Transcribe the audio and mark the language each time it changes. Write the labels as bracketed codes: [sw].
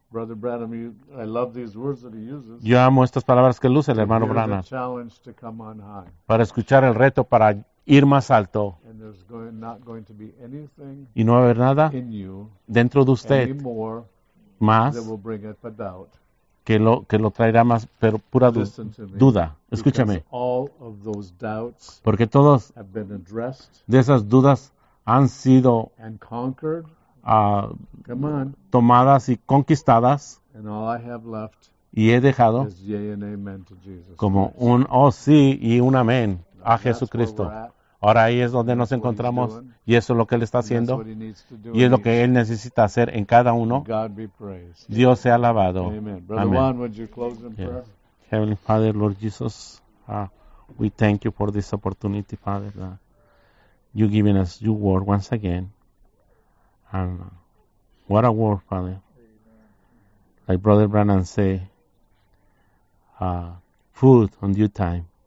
[en] Brother Branham, I love these words that he uses. [es] Yo amo estas palabras que luce el hermano Branham. [en] Challenge to come on high. [es] Para escuchar el reto para ir más alto. [en] And there's not going to be anything [es] y no va a haber nada [en] in you [es] dentro de usted [en] anymore [es] más [en] that will bring it a doubt. [es] Que lo traerá más, pero pura duda. Escúchame. [en] All of those doubts [es] porque todas de esas dudas han sido [en] and conquered. Come on. [es] Tomadas y conquistadas. [en] And all I have left [es] y he dejado [en] is yea and amen to Jesus [es] como [en] Christ. [es] Un oh sí y un amén a Jesucristo. Ahora ahí es donde nos encontramos y eso es lo que Él está haciendo y es lo que Él necesita hacer en cada uno. Dios sea alabado. [en] Amén. Juan, would you close in prayer? Heavenly Father, Lord Jesus, we thank you for this opportunity, Father, that you've given us your word once again. And what a word, Father. Like Brother Branham said, food on due time.